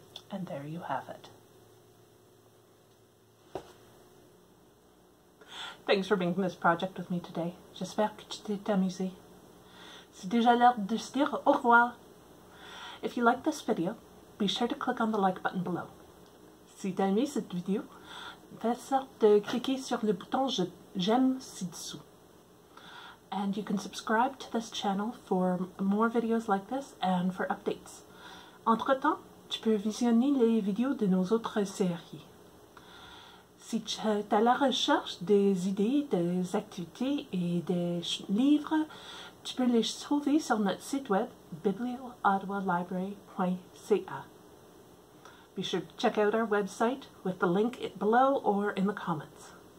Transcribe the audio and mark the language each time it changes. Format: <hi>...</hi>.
<en>And there you have it. Thanks for being in this project with me today.</en> <fr>J'espère que tu t'es amusé. C'est déjà l'heure de se dire au revoir.</fr> <en>If you like this video, be sure to click on the like button below.</en> <fr>Si t'as aimé cette vidéo, fais sorte de cliquer sur le bouton j'aime ci-dessous.</fr> <en>And you can subscribe to this channel for more videos like this and for updates.</en> <fr>Entre-temps, tu peux visionner les vidéos de nos autres séries. Si tu es à la recherche des idées, des activités et des livres, tu peux les trouver sur notre site web biblioottawalibrary.ca.</fr> <en>Be sure to check out our website with the link below or in the comments.</en>